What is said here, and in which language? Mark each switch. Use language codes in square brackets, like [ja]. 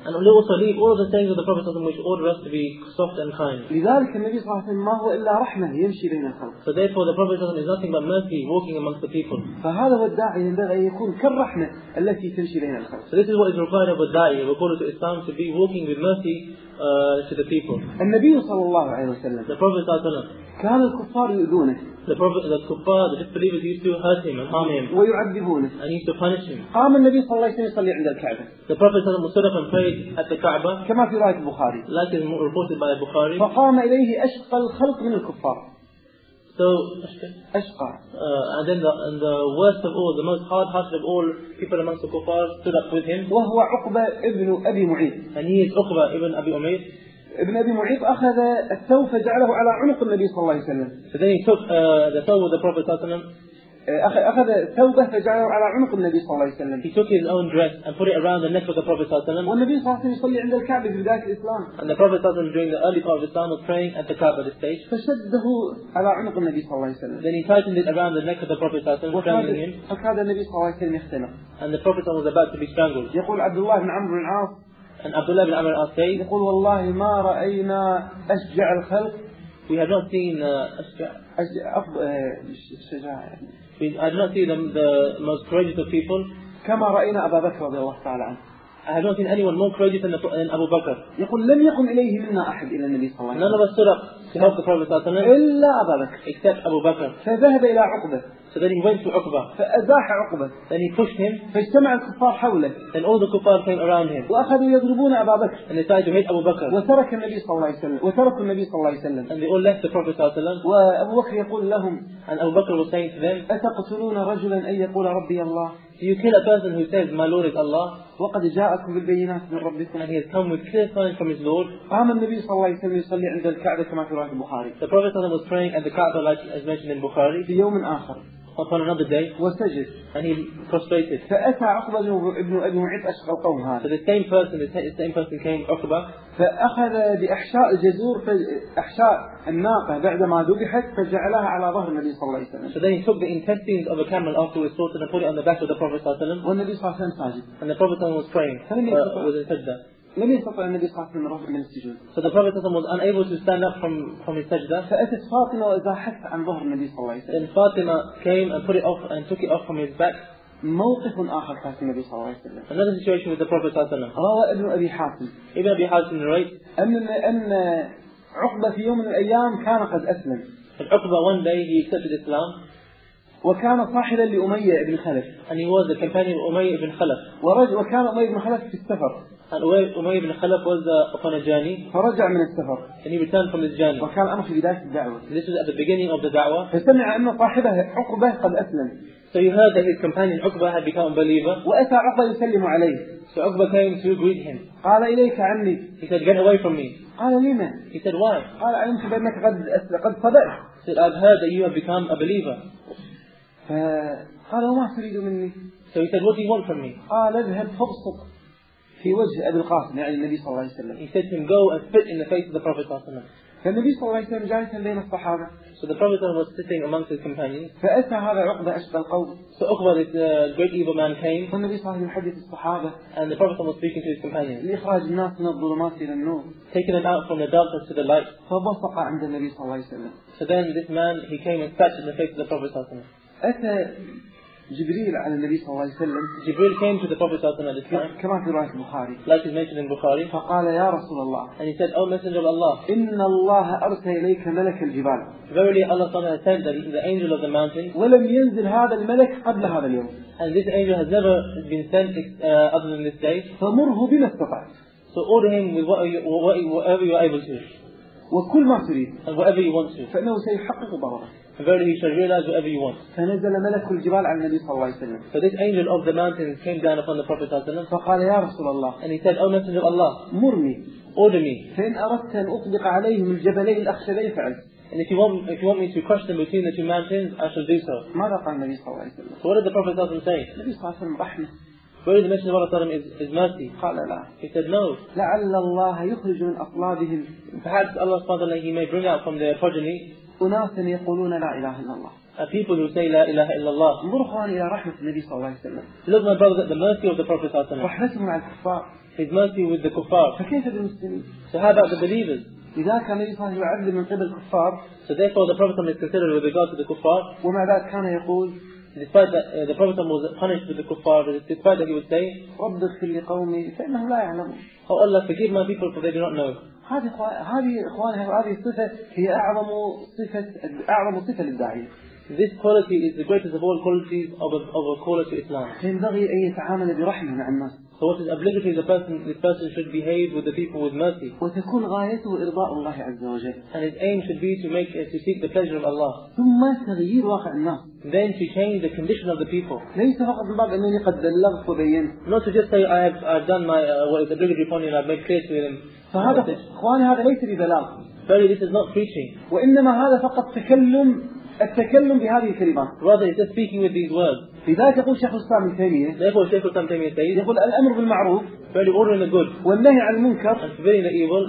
[en] And we also leave all of the things of the Prophet which order us to be soft and kind. [ar] لذلك النبي صلى الله عليه وسلم ما هو إلا رحمة يمشي بين الخلق. [en] So therefore the Prophet is nothing but mercy walking amongst the people. [ar] فهذا هو الداعي ينبغي أن يكون كالرحمة التي تمشي بين الخلق. [en] So this is what is required of a da'i. We call it to Islam to be walking with mercy to the people. [ar] النبي صلى الله عليه وسلم. [en] The Prophet [ar] صلى الله عليه وسلم. كان الكفار يؤذونه. [en] The kuffar, the disbelievers used to hurt him and harm him. [ar] ويعذبونه. [en] And used to punish him. [ar] قام النبي صلى الله عليه وسلم يصلي عند الكعبة. [en] The Prophet [ar] صلى الله عليه وسلم [en] prayed at the Kaaba. [ar] كما في رواية البخاري. [en] Like is reported by Bukhari. [ar] فقام إليه أشقى الخلق من الكفار. [en] So [ar] أشقى. [en] And the worst of all, the most hard-hearted of all people amongst the kuffar stood up with him. [ar] وهو عقبة ابن أبي معيط. [en] And he is عقبة ابن أبي معيط. [ar] ابن أبي معيط أخذ الثوب فجعله على عنق النبي صلى الله عليه وسلم. [en] فذين took the thawb of the Prophet [ar] صلى الله عليه وسلم. أخذ ثوبه فجعله على عنق النبي صلى الله عليه وسلم. [en] He took his own dress and put it around the neck of the Prophet [ar] صلى الله عليه وسلم. والنبي صلى الله عليه وسلم يصلي عند الكعبة في بداية الإسلام. [en] And the Prophet [ar] صلى الله عليه وسلم [en] during the early part of Islam was praying at the Kaaba this stage. [ar] فشده على عنق النبي صلى الله عليه وسلم. [en] Then he tightened it around the neck of the Prophet [ar] صلى الله عليه وسلم, [en] strangling him. [ar] فكاد النبي صلى الله عليه وسلم يختنق. [en] And the Prophet was about to be strangled. [ar] يقول عبد الله بن عمرو بن العاص. [en] And Abdullah bin Amr al-Asayy [ar] يقول والله ما رأينا أشجع الخلق. [en] We have not seen the most courageous of people. [ar] كما رأينا أبا بكر رضي الله تعالى عنه. [en] I have not seen anyone more courageous than Abu Bakr. [ar] يقول لم يقم إليه منا أحد إلى النبي صلى الله عليه وسلم. [en] None of us stood up to help the Prophet [ar] صلى الله عليه وسلم. إلا أبا بكر. [en] Except Abu Bakr. [ar] فذهب إلى عقبة. [en] So then he went to Uqba. [ar] فأزاح عقبة. [en] Then he pushed him. [ar] فاجتمع الكفار حوله. [en] Then all the kuffar came around him. [ar] وأخذوا يضربون أبا بكر. [en] And they tried to hit Abu Bakr. [ar] وترك النبي صلى الله عليه وسلم. وتركوا النبي صلى الله عليه وسلم. [en] And they all left the Prophet [ar] صلى الله عليه وسلم. وأبو بكر يقول لهم. [en] And Abu Bakr was saying to them. [ar] أتقتلون رجلا أن يقول ربي الله؟ [en] Do you kill a person who says my Lord is Allah? [ar] وقد جاءكم بالبينات من ربكم. [en] And he has come with clear signs from his Lord. [ar] قام النبي صلى الله عليه وسلم يصلي عند الكعبة كما في رواية البخاري. [en] The Prophet [ar] صلى الله عليه وسلم [en] was praying at the Kaaba like as mentioned in Bukhari. [ar] في يوم آخر. [en] Upon another day, [ar] وسجد. [en] And he prostrated. [ar] فأتى عقبة ابن أبي معيط أشقى القوم هذا. [en] So the same person came عقبة. [ar] فأخذ بأحشاء الجزور فأحشاء الناقة بعدما ذبحت فجعلها على ظهر النبي صلى الله عليه وسلم. [en] So then he took the intestines of a camel after it slaughtered and put it on the back of the Prophet [ar] صلى الله عليه وسلم. والنبي صلى الله عليه وسلم ساجد. [en] And the Prophet [ar] صلى الله عليه وسلم [en] was praying. [ar] لم يستطع النبي صلى الله عليه وسلم الرفع من السجود. [en] So the Prophet was unable to stand up from his sajda. [ar] فأتت فاطمة وأزاحت عن ظهر النبي صلى الله عليه وسلم. [en] And Fatima came and put it off and took it off from his back. [ar] موقف آخر كان في النبي صلى الله عليه وسلم. [en] Another situation with the Prophet [ar] صلى الله عليه وسلم. روى ابن أبي حاتم. [en] Ibn Abi Hatim narrates. [ar] أن عقبة في يوم من الأيام كان قد أسلم. [en] عقبة one day he accepted Islam. [ar] وكان صاحبا لأمية بن خلف. [en] And he was the companion of أمية بن خلف. [ar] وكان أمية بن خلف في السفر. [en] And Umayy ibn Khalaf was upon a journey. [ar] فرجع من السفر. [en] And he returned from his journey. [ar] وكان الأمر في بداية الدعوة. [en] This was at the beginning of the دعوة. [ar] فسمع أن صاحبه عقبة قد أسلم. [en] So he heard that his companion عقبة had become a believer. [ar] وأتى عقبة يسلم عليه. [en] So عقبة came to greet him. [ar] قال إليك عني. [en] He said, get away from me. [ar] قال لما؟ [en] He said, why? [ar] قال علمت بأنك قد صدقت. [en] He said, I've heard that you have become a believer. [ar] فقال وما تريد مني؟ [en] So he said, what do you want from me? [ar] قال اذهب فابصق في وجه أبي القاسم يعني النبي صلى الله عليه وسلم. [en] He said to him, go and spit in the face of the Prophet [ar] صلى الله عليه وسلم. فالنبي صلى الله عليه وسلم جالس بين الصحابة. [en] So the Prophet was sitting amongst his companions. [ar] فأتى هذا عقبة أشبه القوم. [en] So عقبة great evil man came. [ar] فالنبي صلى الله عليه وسلم يحدث الصحابة. [en] And the Prophet was speaking to his companions. [ar] لإخراج الناس من الظلمات إلى النور. [en] Taking them out from the darkness to the light. [ar] فبصق عند النبي صلى الله عليه وسلم. [en] So then this man he came and spat in the face of the Prophet [ar] صلى الله عليه وسلم. أتى جبريل على النبي صلى الله عليه وسلم. [en] جبريل came to the Prophet [ar] صلى الله عليه وسلم. كما في رواية البخاري. [en] Like is mentioned in Bukhari. [ar] فقال يا رسول الله. [en] And he said, O Messenger of Allah. [ar] إن الله أرسل إليك ملك الجبال. [en] Verily Allah [ar] صلى الله عليه وسلم [en] said that the angel of the mountains. [ar] ولم ينزل هذا الملك قبل هذا اليوم. [en] And this angel has never been sent other than this day. [ar] فمره بما استطعت. [en] So order him with whatever you are able to. [ar] وكل ما تريد. [en] And whatever you want to. [ar] فإنه سيحقق ضرره. [en] Verily he shall realize whatever you want. [ar] فنزل ملك الجبال على النبي صلى الله عليه وسلم. [en] So this angel of the mountain came down upon the Prophet [ar] صلى الله عليه وسلم. فقال يا رسول الله. [en] And he said, O Messenger of Allah. [ar] مرني. [en] Order me. [ar] فإن أردت أن أطلق عليهم الجبلين الأخشبين فعل. [en] And if you want me to crush them between the two mountains, I shall do so. [ar] ماذا قال النبي صلى الله عليه وسلم؟ [en] So what did the Prophet [ar] صلى الله عليه وسلم [en] say? [ar] النبي صلى الله عليه وسلم رحمة. [en] Where did the Messenger of Allah tell him is mercy? [ar] قال لا. [en] He said no. [ar] لعل الله يخرج من أطلابهم. [en] Perhaps Allah [ar] سبحانه وتعالى [en] He may bring out from their progeny. [ar] أناس يقولون لا إله إلا الله. [en] A people who say [ar] لا إله إلا الله. انظروا أخوان إلى رحمة النبي صلى الله عليه وسلم. [en] Look my brothers at the mercy of the Prophet [ar] صلى الله عليه وسلم. رحمته مع الكفار. [en] His mercy with the kuffar. [ar] فكيف بالمسلمين؟ [en] So how about the believers? [ar] إذا كان النبي صلى الله عليه وسلم يعذب من قبل الكفار. [en] So therefore the Prophet is considered with regard to the kuffar. [ar] ومع ذلك كان يقول. [en] Despite that the Prophet was punished with the kuffar, despite that he would say, [ar] رب اغفر لقومي فإنهم لا يعلمون. [en] Oh Allah, forgive my people for they do not know. [ar] هذه الصفة هي أعظم صفة للداعية. [en] This quality is the greatest of all qualities of a caller to Islam. [ar] ينبغي أن يتعامل برحمة مع الناس. [en] So what is obligatory this person should behave with the people with mercy. [ar] وتكون غايته إرضاء الله عز وجل. [en] And his aim should be to seek the pleasure of Allah. [ar] ثم تغيير واقع الناس. [en] Then to change the condition of the people. [ar] ليس فقط بعد أنني قد بلغت وبينت. [en] Not to just say I've done what is obligatory upon you and I've made clear to them. [ar] فهذا إخواني هذا ليس ببلاغ. [en] Verily this is not preaching. [ar] وإنما هذا فقط التكلم بهذه الكلمات. [en] Rather it's just speaking with these words. [ar] لذلك يقول الشيخ الإسلام ابن تيمية. [en] Therefore الشيخ الإسلام ابن تيمية says. [ar] يقول الأمر بالمعروف. [en] Verily ordering the good. [ar] والنهي عن المنكر. [en] And forbidding the evil.